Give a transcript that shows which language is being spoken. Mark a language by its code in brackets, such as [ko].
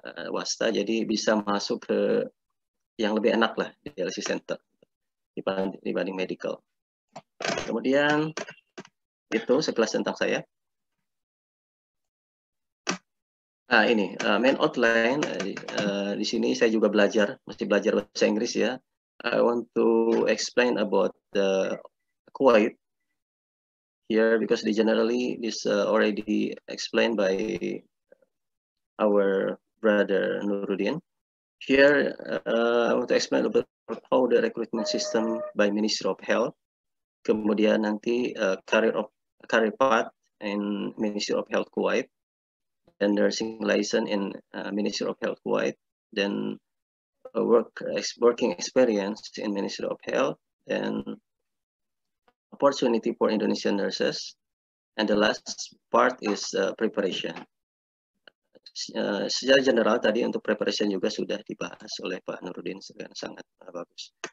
[id] Wasta jadi bisa masuk ke yang lebih enak lah dialysis center dibanding medical. Kemudian itu sekilas tentang saya. Nah ini main outline. Di sini saya juga belajar, mesti belajar bahasa Inggris ya. [en] I want to explain about Kuwait here because generally this already explained by our brother Nuruddin. Here I want to explain about how the recruitment system by Ministry of Health. [id] Kemudian nanti [en] career path in Ministry of Health Kuwait. Then nursing license in Ministry of Health Kuwait, then working experience in Ministry of Health, then opportunity for Indonesian nurses, and the last part is preparation. [id] Secara general tadi untuk preparation juga sudah dibahas oleh Pak Nuruddin dengan sangat bagus.